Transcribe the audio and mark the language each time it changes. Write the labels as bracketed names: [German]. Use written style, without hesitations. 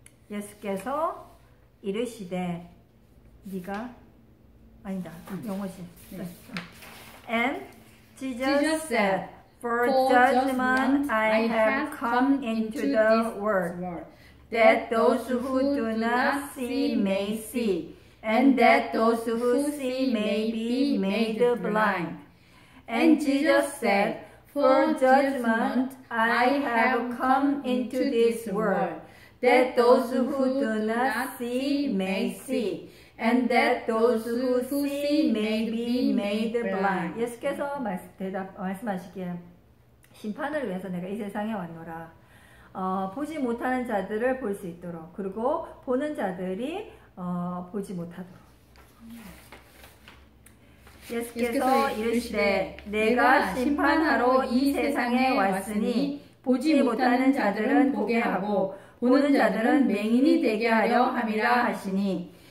[Korean] 예수께서 이르시되 네가 아니다 영어신 [English] And Jesus said For judgment I have come into the world that those who do not see may see and that those who see may be made blind. And Jesus said, For judgment I have come into this world that those who do not see may see and that those who see may be made blind. [Korean] 예수께서 말씀하시기에 심판을 위해서 내가 이 세상에 왔노라. 보지 못하는 자들을 볼 수 있도록 그리고 보는 자들이 보지 못하도록. 예수께서 이르시되 내가 심판하러 이 세상에 왔으니 보지 못하는 자들은 보게 하고 보는 자들은 맹인이 되게 하려 함이라 하시니